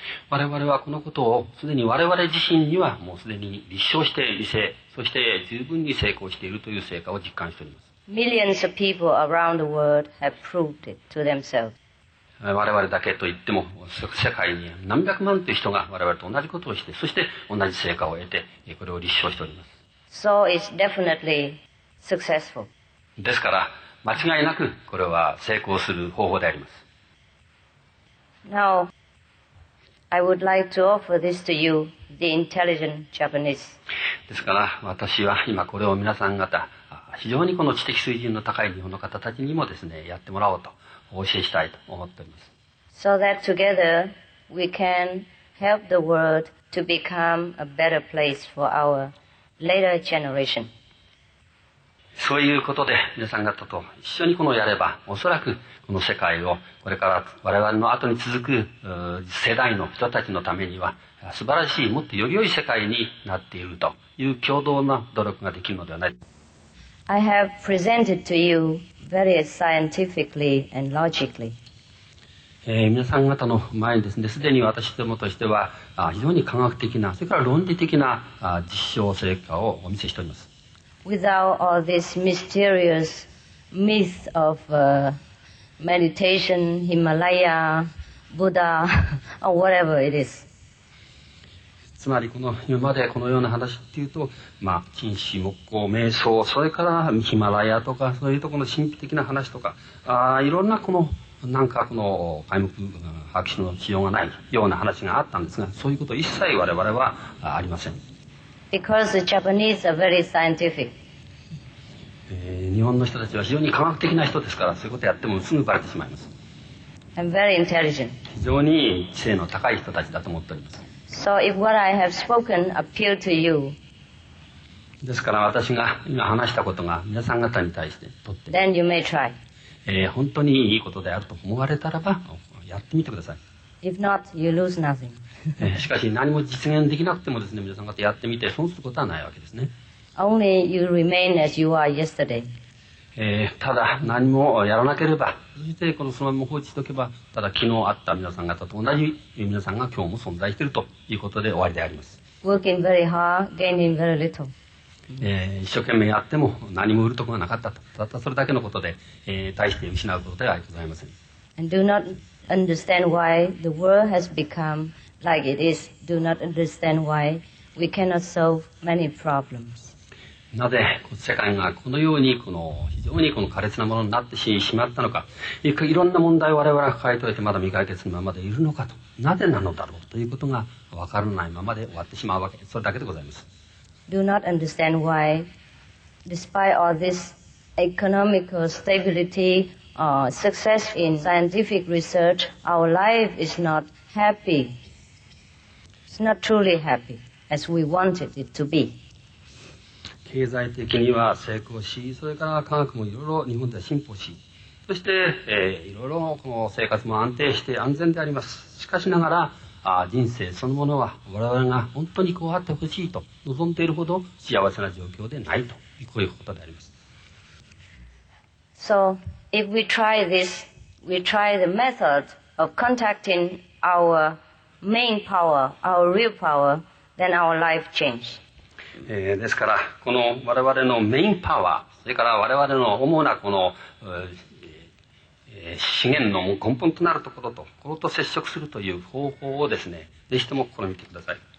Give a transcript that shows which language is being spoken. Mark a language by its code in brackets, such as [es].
[ja] 我々はこのことをすでに我々自身にはもうすでに立証して理性そして十分に成功しているという成果を実感しております。 [en] Millions of people around the world have proved it to themselves. [ja] 我々だけといっても世界に何百万という人が我々と同じことをしてそして同じ成果を得てこれを立証しております。 [en] So it's definitely successful. [ja] ですから間違いなくこれは成功する方法であります。 [en] NowI would like to offer this to you, the intelligent Japanese. [ja] ですから私は今これを皆さん方非常にこの知的水準の高い日本の方たちにもですねやってもらおうとお教えしたいと思っております。 [en] So that together we can help the world to become a better place for our later generation. [ja] そういうことで皆さん方と一緒にこのやればおそらくこの世界をこれから我々の後に続く世代の人たちのためには素晴らしいもっとより良い世界になっているという共同な努力ができるのではないか。 [en] I have presented to you very scientifically and logically. [ja] 皆さん方の前にですね、すでに私どもとしては非常に科学的なそれから論理的な実証成果をお見せしております。 [en] Without all this mysterious myth of Meditation, Himalaya, Buddha, or whatever it is. [ja] つまりこの今までこのような話っていうと、まあ禁止木工瞑想、それからヒマラヤとかそういうところの神秘的な話とか、いろんなこのなんかこの開目白紙の使用がないような話があったんですが、そういうこと一切我々はありません。 [en] Because the Japanese are very scientific. [ja] 日本の人たちは非常に科学的な人ですからそういうことやってもすぐバレてしまいます。 [en] I'm very intelligent. [ja] 非常に知性の高い人たちだと思っております。 [en] So if what I have spoken appeal to you, [ja] ですから私が今話したことが皆さん方に対してとって [en] then you may try. [ja] 本当にいいことであると思われたらばやってみてください。 [en] If not, you lose nothing. [ja] しかし何も実現できなくてもですね、皆さん方やってみて損することはないわけですね。 [en] Only you remain as you are yesterday. [ja] ただ何もやらなければ、そしてこのそのまま放置しておけば、ただ昨日会った皆さん方と同じ皆さんが今日も存在しているということで終わりであります。 [en] Working very hard, gaining very little. [ja] 一生懸命やっても何も売るところがなかったと。たったそれだけのことで、大して失うことではございません。 [en] And do not understand why the world has become like it is. Do not understand why we cannot solve many problems. [ja] なぜ世界がこのようにこの非常にこの苛烈なものになってしまったのか、いろんな問題を我々は抱えておいてまだ未解決のままでいるのかと、なぜなのだろうということが分からないままで終わってしまうわけ、それだけでございます。 [en] Do not understand why despite all this economical stability or success in scientific research our life is not happy. It's not truly happy as we wanted it to be. [ja] 経済的には成功し、それから科学もいろいろ日本では進歩し、そして、いろいろこの生活も安定して安全であります。しかしながら、人生そのものは我々が本当にこうあってほしいと望んでいるほど幸せな状況でないと、こういうことであります。 [en] So, if we try this, we try the method of contacting our main power, our real power, then our life changes. [ja] ですからこの我々のメインパワー、それから我々の主なこの、資源の根本となるところと、これと接触するという方法をですね、ぜひとも試みてください。